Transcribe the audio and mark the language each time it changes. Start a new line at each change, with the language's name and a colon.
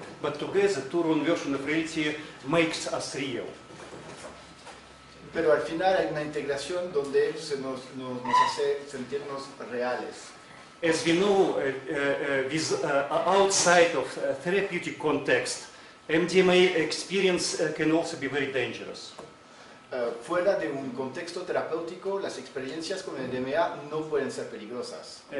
English: But together, two wrong versions of reality makes us real.
Spanish: Pero al final hay una integración donde se nos hace sentirnos reales.
English: As we know, with, outside of therapeutic context, MDMA experience can also be very dangerous.
Spanish: Fuera de un contexto terapéutico, las experiencias con el MDMA no pueden ser peligrosas.